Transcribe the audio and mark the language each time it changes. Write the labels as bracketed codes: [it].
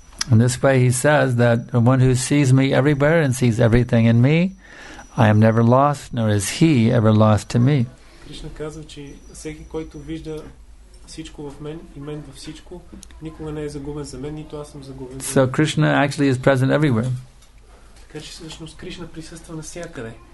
[en] In this way he says that the one who sees me everywhere and sees everything in me, I am never lost, nor is he ever lost to me. [bg] Krishna казва, че всеки, който вижда всичко в мен и мен във всичко, никога не е загубен за мен, нито аз съм загубен. [en] So Krishna actually is present everywhere. [bg] Така че всъщност Кришна присъства навсякъде.